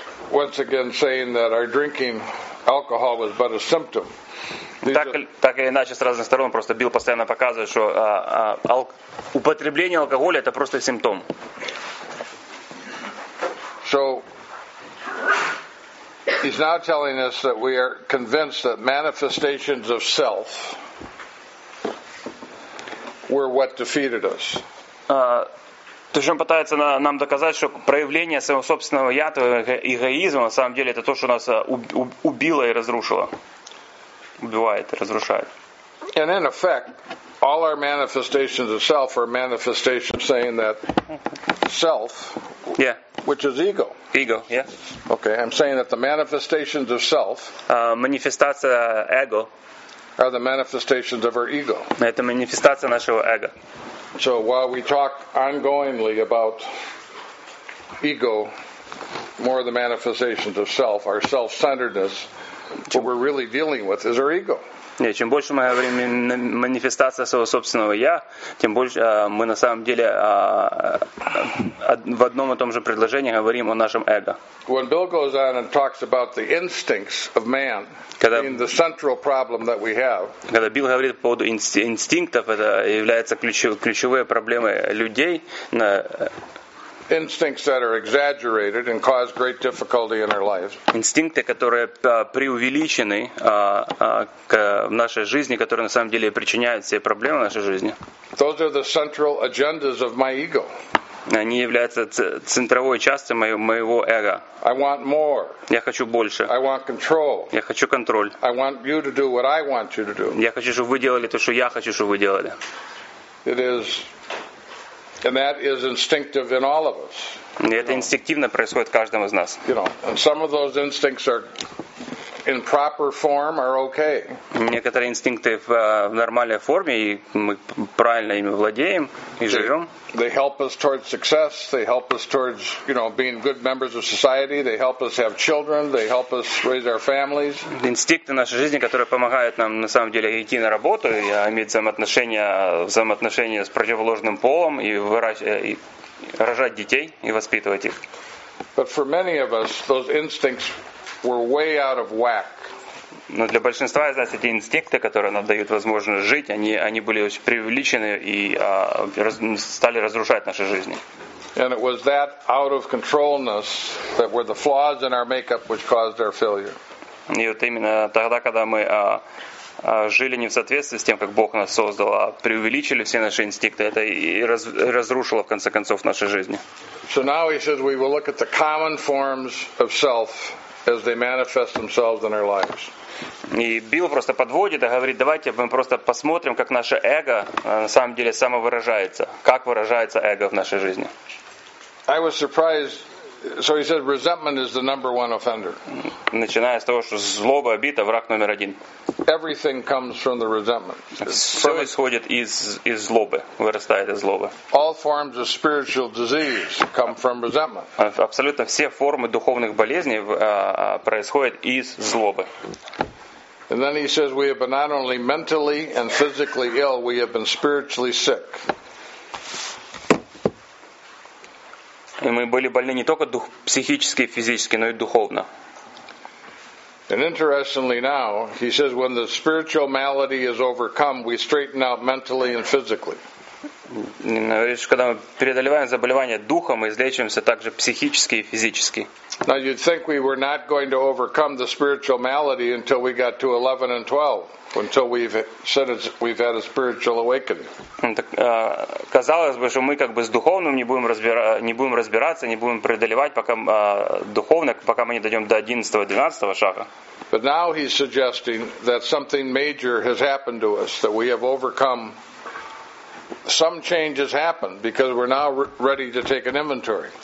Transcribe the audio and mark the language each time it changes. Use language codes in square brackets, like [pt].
[en] Once again saying that our drinking alcohol was but a symptom. [ru] Так или иначе, с разных сторон просто Билл постоянно показывает, что употребление алкоголя — это просто симптом. [en] So he's now telling us that we are convinced that manifestations of self were what defeated us. [ru] То есть он пытается нам доказать, что проявление своего собственного я, эгоизма, на самом деле это то, что нас убило и разрушило. Убивает и разрушает. [en] And in effect, all our manifestations of self are manifestations saying that self, yeah, which is ego. Ego, yeah. Okay, I'm saying that the manifestations of self, [ru] манифестация эго, [en] are the manifestations of our ego. [ru] Это манифестация нашего эго. [en] So while we talk ongoingly about ego, more the manifestations of self, our self-centeredness, what we're really dealing with is our ego. [ru] Нет, чем больше мы говорим манифестация своего собственного я, тем больше мы на самом деле в одном и том же предложении говорим о нашем эго. [en] When Bill goes on and talks about the instincts of man, being the central problem that we have. [ru] Когда Билл говорит по поводу инстинктов, это является ключевой проблемой людей. [en] Instincts that are exaggerated and cause great difficulty in our lives. [ru] Инстинкты, которые преувеличены в нашей жизни, которые на самом деле причиняют все проблемы в нашей жизни. [en] Those are the central agendas of my ego. [ru] Они являются центровой частью моего эго. [en] I want more. [ru] Я хочу больше. [en] I want control. [ru] Я хочу контроль. [en] I want you to do what I want you to do. [ru] Я хочу, чтобы вы делали то, что я хочу, чтобы вы делали. [en] It is. And that is instinctive in all of us. [ru] Это инстинктивно происходит в каждом из нас. [en] You know, and some of those instincts are in proper form are okay. [ru] Некоторые инстинкты в нормальной форме, и мы правильно ими владеем и живем. [en] They help us towards success. They help us towards, you know, being good members of society. They help us have children. They help us raise our families. [ru] Инстинкты нашей жизни, которые помогают нам на самом деле идти на работу, и иметь взаимоотношения с противоположным полом и рожать детей и воспитывать их. [en] But for many of us, those instincts were way out of whack. [ru] Но для большинства из нас эти инстинкты, которые нам дают возможность жить, они были очень преувеличены и стали разрушать наши жизни. [en] And it was that out of controlness that were the flaws in our makeup which caused our failure. [ru] И вот именно тогда, когда мы жили не в соответствии с тем, как Бог нас создал, а преувеличили все наши инстинкты, это и разрушило в конце концов наши жизни. [en] So now he says we will look at the common forms of self as they manifest themselves in our lives. [ru] И Билл просто подводит и говорит: давайте мы просто посмотрим, как наше эго на самом деле самовыражается, как выражается эго в нашей жизни. [en] I was surprised. So he said resentment is the number one offender. [ru] Начиная с того, что злоба, обида — враг номер один. [en] Everything comes from the resentment. [ru] Все исходит из злобы, вырастает из злобы. [en] All forms of spiritual disease come from resentment. [ru] Абсолютно все формы духовных болезней происходят из злобы. [en] And then he says we have been not only mentally and physically ill, we have been spiritually sick. [ru] И мы были больны не только психически и физически, но и духовно. [en] And interestingly now, he says when the spiritual malady is overcome, we straighten out mentally and physically. [ru] Когда мы преодолеваем заболевание духа, мы излечиваемся также психически и физически. [en] Now you'd think we were not going to overcome the spiritual malady until we got to 11 and 12, until we've had a spiritual awakening. [ru] Казалось бы, что мы как бы с духовным не будем разбираться, не будем преодолевать пока мы не дойдем до 11-12 шага. [en] But now he's suggesting that something major has happened to us, that we have overcome. Some changes happen because we're now ready to take an inventory.